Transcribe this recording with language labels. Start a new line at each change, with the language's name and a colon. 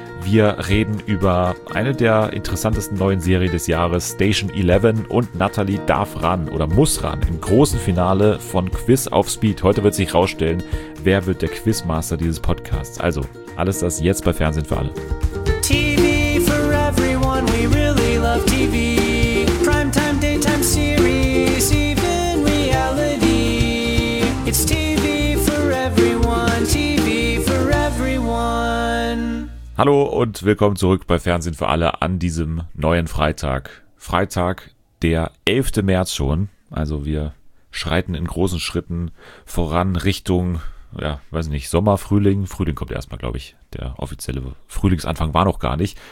German: Wir reden über eine der interessantesten neuen Serien des Jahres, Station 11, und Natalie darf ran oder muss ran im großen Finale von Quiz auf Speed. Heute wird sich rausstellen, wer wird der Quizmaster dieses Podcasts. Also, alles das jetzt bei Fernsehen für alle.
English: TV for everyone, we really love TV. Primetime, daytime series, even reality. It's TV for everyone, TV for everyone.
German: Hallo und willkommen zurück bei Fernsehen für alle an diesem neuen Freitag. Freitag, der 11. März schon. Also wir schreiten in großen Schritten voran Richtung, ja, weiß nicht, Sommer, Frühling. Frühling kommt erstmal, glaube ich. Der offizielle Frühlingsanfang war noch gar nicht.